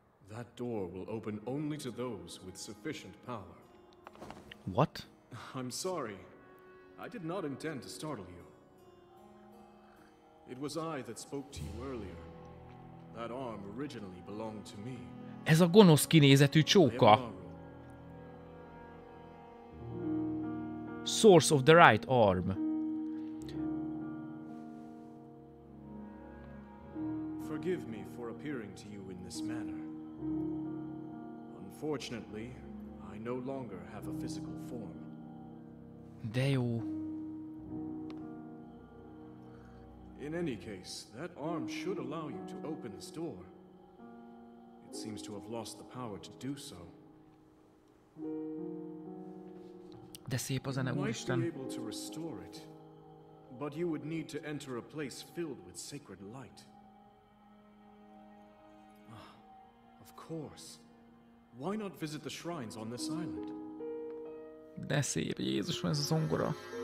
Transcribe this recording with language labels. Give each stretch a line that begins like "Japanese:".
English: That door will open only to those with sufficient power. What? I'm sorry. I did not intend to startle you. It was I that spoke to you earlier. That arm originally belonged to me.
Hungarian: Ez a gonosz kinézetű csóka.
English: Source of the right arm. Forgive me for appearing to you in this manner. Unfortunately, I no longer have a physical form.
Hungarian: De jó.
English: In any case, that arm should allow you to open this door. It seems to have lost the power to do so.
Hungarian: De szép a zene, úristen.
English: Be able to restore it, but you would need to enter a place filled with sacred light. Of course. Why not visit the shrines on this island?
Hungarian: De szép, Jézus, ez a zongora.